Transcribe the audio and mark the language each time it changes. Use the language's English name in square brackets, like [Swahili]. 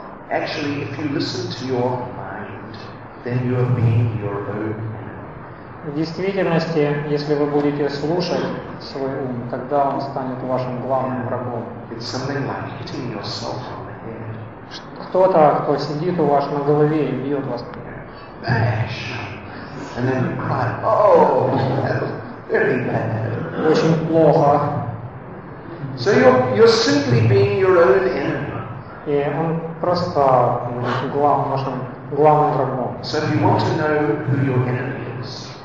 [English] Actually, if you listen to your mind, then you are being your own. [Russian] В действительности, если вы будете слушать свой ум, тогда он станет вашим главным врагом. [English] It's something like hitting yourself on the head. [Russian] Кто-то, кто сидит у вас на голове и бьет вас. [English] Bash. And then you cry, oh, very bad. [Russian] Очень плохо. [English] So you're simply being your own enemy. [Russian] И он просто главным врагом. [English] So if you want to know who your enemy is,